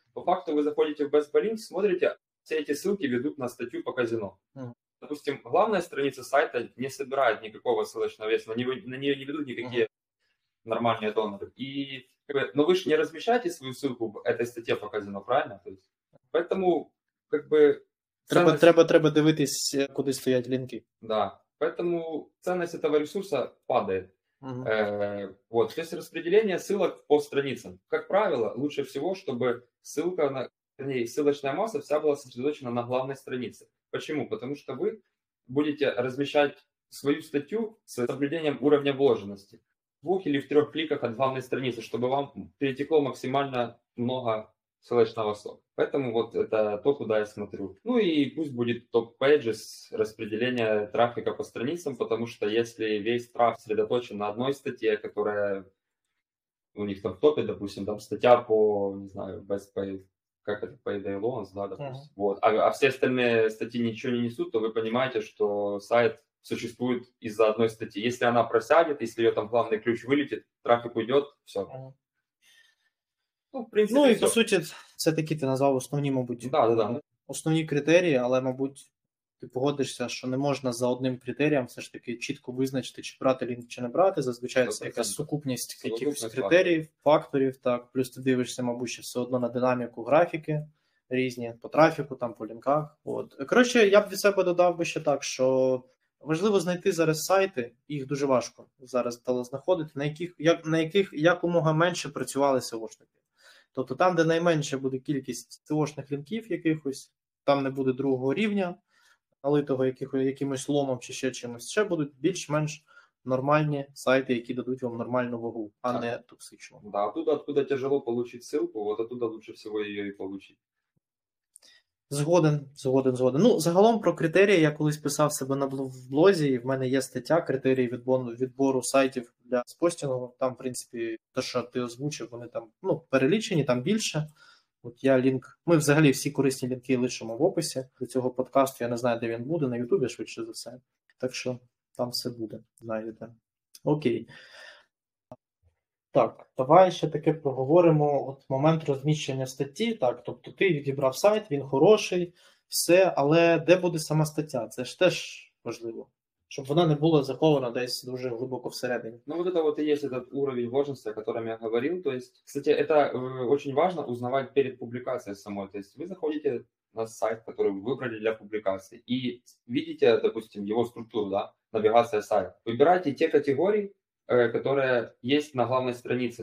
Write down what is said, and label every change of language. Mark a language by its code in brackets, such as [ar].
[ru] По факту вы заходите в Best Buy Links, смотрите, все эти ссылки ведут на статью по казино. Допустим, главная страница сайта не собирает никакого ссылочного веса, на нее не ведут никакие нормальные доноры. И, как бы, но вы же не размещаете свою ссылку в этой статье по казино, правильно? То есть, поэтому, как бы... [uk] Треба дивитись, куди стоять линки. [ru] Да, поэтому ценность этого ресурса падает. Вот, то есть распределение ссылок по страницам. Как правило, лучше всего, чтобы ссылка на... Вернее, ссылочная масса вся была сосредоточена на главной странице. Почему? Потому что вы будете размещать свою статью с соблюдением уровня вложенности в двух или в трех кликах от главной страницы, чтобы вам перетекло максимально много ссылочного сока. Поэтому вот это то, куда я смотрю. Ну и пусть будет топ-пейджес распределение трафика по страницам, потому что если весь трафик сосредоточен на одной статье, которая у них там в топе, допустим, там статья по, не знаю, Best Buy, как это, Payday Loans, да, допустим. Uh-huh. Вот. А все остальные статьи ничего не несут, то вы понимаете, что сайт существует из-за одной статьи. Если она просядет, если ее там главный ключ вылетит, трафик уйдет, все. Uh-huh. Ну, в принципе, ну, и все. По сути, все-таки ты назвал основные, мабуть, да. основные критерии, [uk] але, мабуть, Ти погодишся, що не можна за одним критерієм все ж таки чітко визначити, чи брати лінк, чи не брати. Зазвичай це якась 100%. сукупність якихось [ru] Совокупних факторів. [uk] критеріїв, факторів, так. Плюс ти дивишся, мабуть, ще все одно на динаміку графіки різні по трафіку, там по лінках. От. Коротше, я б від себе додав би ще так, що важливо знайти зараз сайти, їх дуже важко зараз стало знаходити, на яких якомога менше працювали SEO-шники. Тобто там, де найменше буде кількість SEO-шних лінків якихось, там не буде другого рівня. Налитого якимось ломом чи ще чимось, ще будуть більш-менш нормальні сайти, які дадуть вам нормальну вагу, а Так. не токсичну. [ru] Да, оттуда тяжело получить ссылку, вот оттуда лучше всего ее и получить. [uk] Згоден, згоден, згоден. Ну, загалом про критерії я колись писав себе на блозі, і в мене є стаття критерії відбору сайтів для спостінгу. Там, в принципі, те, що ти озвучив, вони там, ну, перелічені, там більше. От я лінк. Ми взагалі всі корисні лінки лишимо в описі до цього подкасту. Я не знаю, де він буде, на Ютубі, швидше за все. Так що там все буде, знайдете. Окей. Так, давай ще таке проговоримо. От момент розміщення статті. Так, тобто ти відібрав сайт, він хороший, все, але де буде сама стаття? Це ж теж важливо, щоб вона не була захована десь дуже глибоко всередині. [ru] Ну, вот это вот и есть этот уровень важности, о котором я говорил. То есть, кстати, это очень важно узнавать перед публикацией самой. То есть, вы заходите на сайт, который вы выбрали для публикации, и видите, допустим, его структуру, да, навигация сайта. Выбирайте те категории, которые есть на главной странице.